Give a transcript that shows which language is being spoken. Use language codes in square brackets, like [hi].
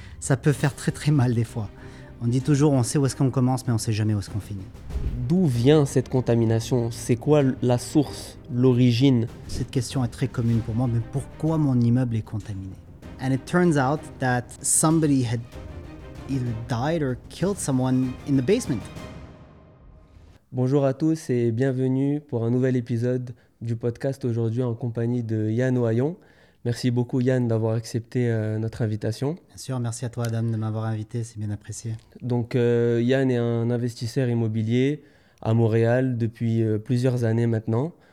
[fr] Ça peut faire très très mal des fois. On dit toujours on sait où est-ce qu'on commence, mais on sait jamais où est-ce qu'on finit. D'où vient cette contamination? C'est quoi la source, l'origine? Cette question est très commune pour moi, mais pourquoi mon immeuble est contaminé? [en] And it turns out that somebody had either died or killed someone in the basement. [fr] Bonjour à tous et bienvenue pour un nouvel épisode du podcast aujourd'hui en compagnie de Yann Oyon. Merci beaucoup Yann d'avoir accepté notre invitation. Bien sûr, merci à toi Adam de m'avoir invité, c'est bien apprécié. Donc Yann est un investisseur immobilier à Montréal depuis plusieurs années maintenant.